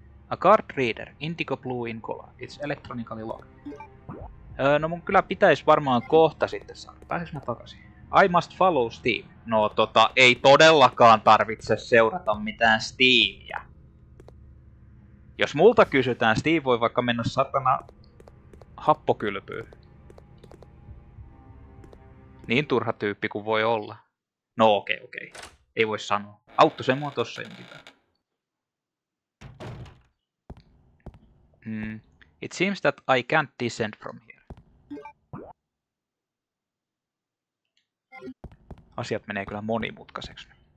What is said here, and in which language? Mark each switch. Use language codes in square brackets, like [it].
[en] A card reader, indigo blue in color, it's electronically locked. [fi] No mun kyllä pitäis varmaan kohta sitten saada. Pääsis mä takaisin? [en] I must follow Steve. [fi] No tota, ei todellakaan tarvitse seurata mitään Steveä. Jos multa kysytään, Steve voi vaikka mennä satana happokylpyyn. Niin turha tyyppi kuin voi olla. No okei, okei. Ei voi sanoa. Auttu se mua tossa jonkin päin. [en] It seems that I can't descend from here. [fi] Asiat menee kyllä monimutkaiseksi.